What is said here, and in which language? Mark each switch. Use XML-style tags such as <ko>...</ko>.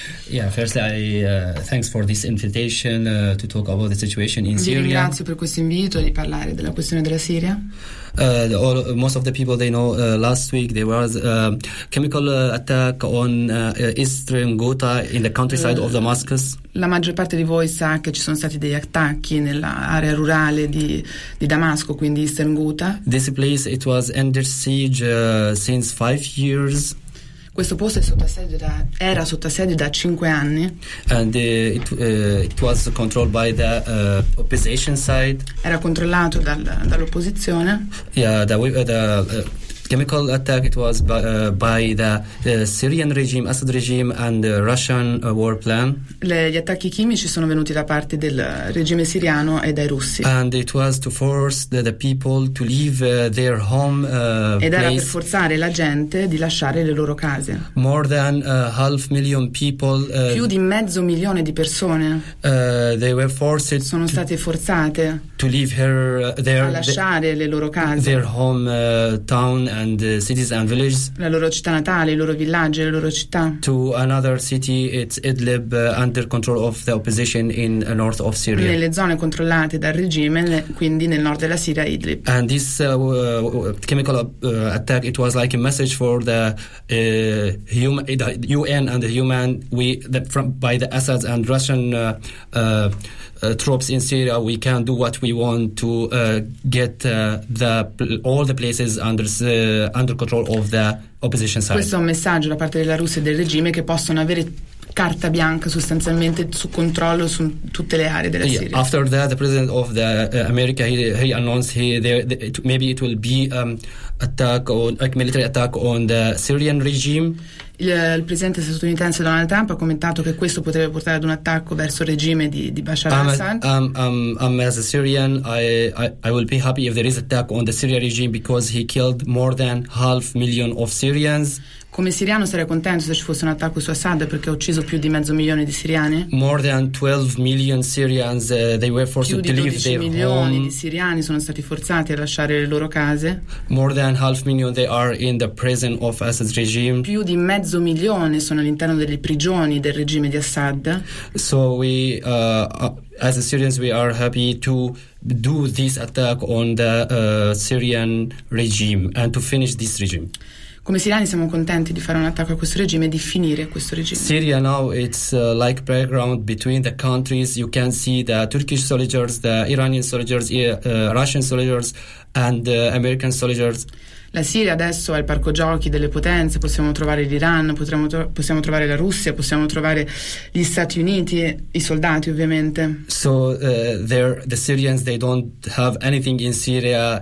<en>Yeah, firstly, thanks for this invitation to talk about the situation in Syria.</en> <it>Vi ringrazio per questo invito di parlare della questione della Siria.</it> <en>Most of the people they know, last week there was a chemical attack on Eastern Ghouta in the countryside of Damascus.</en> <it>La maggior parte di voi sa che ci sono stati degli attacchi nell'area rurale di Damasco, quindi Eastern Ghouta.</it> <en>This place, it was under siege since 5 years.</en> <it>Questo posto era sotto assedio da 5 anni.</it> <en>And it was controlled by the opposition side.</en> <it>Era controllato dall'opposizione.</it> <en>Yeah, chemical attack, it was by the Syrian regime, Assad regime, and the Russian war plan.</en> <it>Gli attacchi chimici sono venuti da parte del regime siriano e dai russi.</it> <en>And it was to force the people to leave their home</en> <it>Ed</it> <en>place.</en> <it>Era per forzare la gente di lasciare le loro case.</it> <en>More than half million people.</en> <it>Più di mezzo milione di persone.</it> <en>They were forced.</en> <it>Sono state forzate.</it> <en>To leave her their.</en> <it>A lasciare le loro case.</it> <en>Their home town. And cities and villages,</en> <it>la loro città natale, i loro villaggi, le loro città,</it> <en>to another city, it's Idlib, under control of the opposition in north of Syria,</en> <it>nelle zone controllate dal regime, quindi nel nord della Siria, Idlib.</it> <en>And this chemical attack, it was like a message for the UN and the human, by the Assad and Russian troops in Syria, we can do what we want to get all the places under control of the opposition side.</en> <it>Questo è un messaggio da parte della Russia e del regime, che possono avere carta bianca sostanzialmente su controllo su tutte le aree della Siria.</it> <en>After that, the president of the America he announced maybe it will be attack on a military attack on the Syrian regime.</en> <it>Il presidente statunitense Donald Trump ha commentato che questo potrebbe portare ad un attacco verso il regime di Bashar al-Assad.</it> <en>As a Syrian, I will be happy if there is attack on the Syrian regime because he killed more than 500,000 of Syrians.</en> <it>Come siriano sarei contento se ci fosse un attacco su Assad perché ha ucciso più di 500,000 di siriani.</it> <en>More than 12 million Syrians they were forced to leave their</en> <it>home. Più di 12 milioni di siriani sono stati forzati a lasciare le loro case.</it> <en>More than 500,000 they are in the prison of Assad's regime.</en> <it>Più di 500,000 sono all'interno delle prigioni del regime di Assad.</it> <en>So we as a Syrians we are happy to do this attack on the Syrian regime and to finish this regime.</en> <it>Come siriani siamo contenti di fare un attacco a questo regime e di finire questo regime.</it> <en>Syria now it's like background between the countries. You can see the Turkish soldiers, the Iranian soldiers, Russian soldiers and American soldiers.</en> <it>La Siria adesso è il parco giochi delle potenze. Possiamo trovare l'Iran, possiamo trovare la Russia, possiamo trovare gli Stati Uniti, i soldati ovviamente.</it> <en>So the Syrians they don't have anything in Syria.</en>